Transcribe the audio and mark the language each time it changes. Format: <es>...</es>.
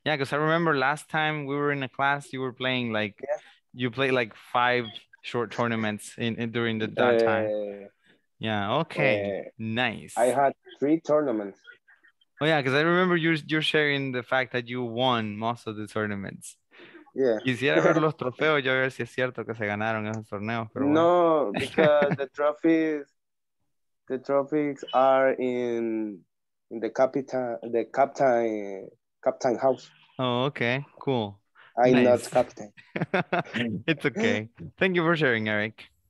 <en>Yeah, because I remember last time we were in a class, you were playing like, you played like five short tournaments during that time. Yeah, okay. Nice. I had three tournaments. Oh yeah, because I remember you're sharing the fact that you won most of the tournaments. Yeah.</en> <es>Quisiera ver los trofeos, yo a ver si es cierto que se ganaron esos torneos. Pero bueno.</es> <en>No, because the trophies are in the captain house. Oh, okay, cool. I'm not captain. It's okay. Thank you for sharing, Eric.</en>